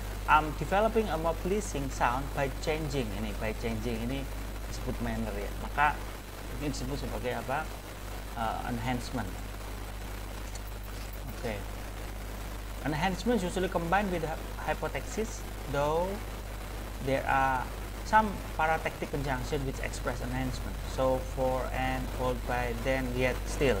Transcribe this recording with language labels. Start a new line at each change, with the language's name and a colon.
English: I'm developing a more pleasing sound by changing.
Indonesian: Ini by changing. Ini disebut manner ya. Maka ini disebut sebagai apa?
English: Enhancement. Oke. Okay. Enhancement usually combined with hypotaxis, though there are some paratactic conjunction which express enhancement. So for and, followed by, then, yet, still.